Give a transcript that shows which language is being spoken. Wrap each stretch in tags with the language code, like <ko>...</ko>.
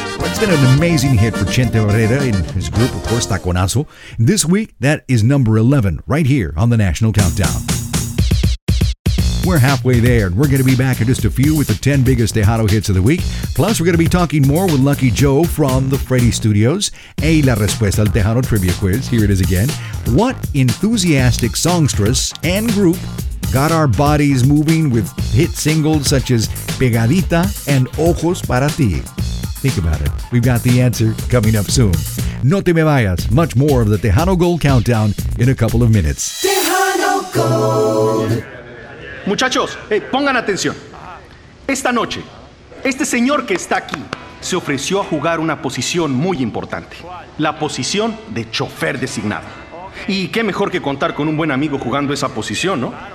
<en>It's been an amazing hit for Chente Barrera and his group, of course, Taconazo. This week, that is number 11 right here on the National Countdown. We're halfway there, and we're going to be back in just a few with the 10 biggest Tejano hits of the week. Plus, we're going to be talking more with Lucky Joe from the Freddy Studios.</en> <es>Hey, la respuesta al Tejano</es> <en>trivia quiz. Here it is again. What enthusiastic songstress and group got our bodies moving with hit singles such as Pegadita and Ojos Para Ti? Think about it. We've got the answer coming up soon.</en> <es>No te me vayas.</es> <en>Much more of the Tejano Gold Countdown in a couple of minutes. Tejano Gold.</en> <es>Muchachos, hey, pongan atención. Esta noche, este señor que está aquí se ofreció a jugar una posición muy importante. La posición de chofer designado. Y qué mejor que contar con un buen amigo jugando esa posición, ¿no?</es>